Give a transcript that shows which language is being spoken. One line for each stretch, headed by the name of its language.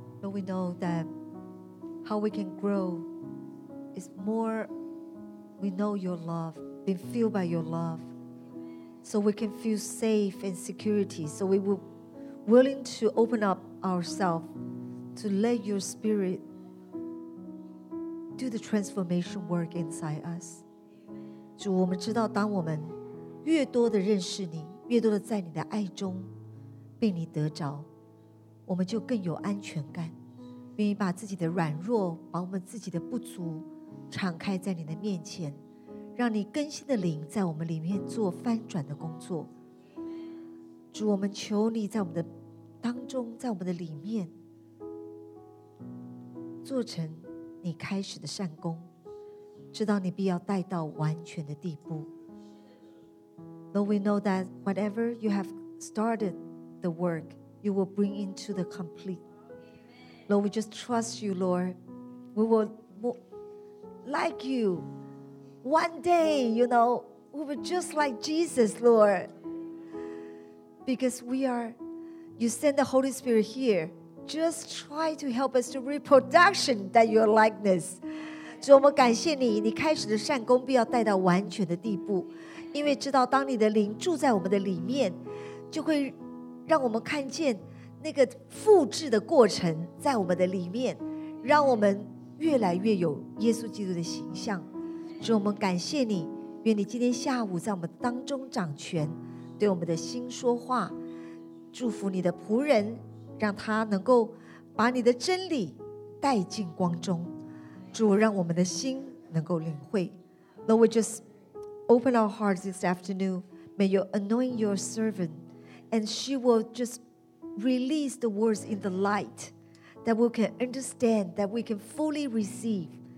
English: We know that how we can grow is more we know your love, being filled by your love, so we can feel safe and security, so we will willing to open up ourselves to let your spirit do the transformation work inside us.
Chinese: 主, 我们知道, 当我们越多地认识你, 越多地在你的爱中, 被你得着, 我们就更有安全感, 愿意把自己的软弱把我们自己的不足敞开在你的面前，让你更新的灵在我们里面做翻转的工作。主，我们求你在我们的当中，在我们的里面做成你开始的善工，直到你必要带到完全的地步。
English: Lord, we know that whatever you have started the work, you will bring into the complete. Lord, we just trust you, Lord. We will like you. One day, you know, we will just like Jesus, Lord. Because we are, you send the Holy Spirit here. Just try to help us to reproduction that your likeness.
Chinese: 主，我们感谢你，你开始的善工必要带到完全的地步，因为知道当你的灵住在我们的里面，就会让我们看见那个复制的过程在我们的里面，让我们越来越有耶稣基督的形象。主，我们感谢你，愿你今天下午在我们当中掌权，对我们的心说话，祝福你的仆人，让他能够把你的真理带进光中。主，让我们的心能够领会。
English: Lord, we just open our hearts this afternoon. May you anoint your servant, and she will just release the words in the light that we can understand, that we can fully receive.